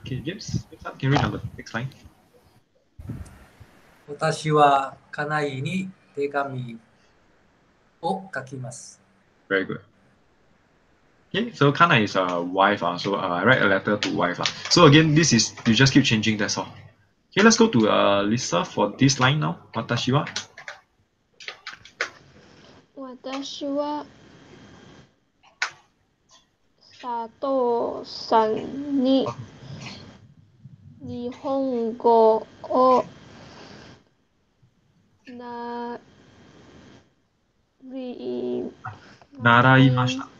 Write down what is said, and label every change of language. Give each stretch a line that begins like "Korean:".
English: Okay, James, can you read on the next line?
Japanese: 私は家内に手紙を書きます。
English: Very good. Okay, so 家内 is a wife. So I write a letter to wife. So again, this is, you just keep changing, that's all. Okay, let's go to Lisa for this line now.
Japanese: 私は佐藤さんに日本語を習いました。